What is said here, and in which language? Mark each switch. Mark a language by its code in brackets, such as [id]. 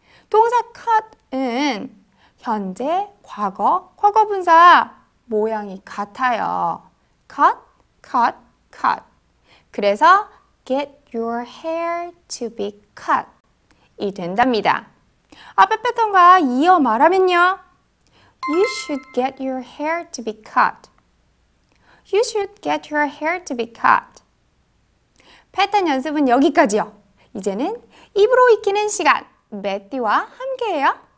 [ko] 동사 cut은 현재, 과거, 과거분사 모양이 같아요. [en] cut, cut, cut. [ko] 그래서 [en] get your hair to be cut [ko] 이 된답니다. 앞에 뺐던 거 이어 말하면요. [en] You should get your hair to be cut. You should get your hair to be cut. [ko] 패턴 연습은 여기까지요. 이제는 입으로 익히는 시간, 매띠와 함께해요.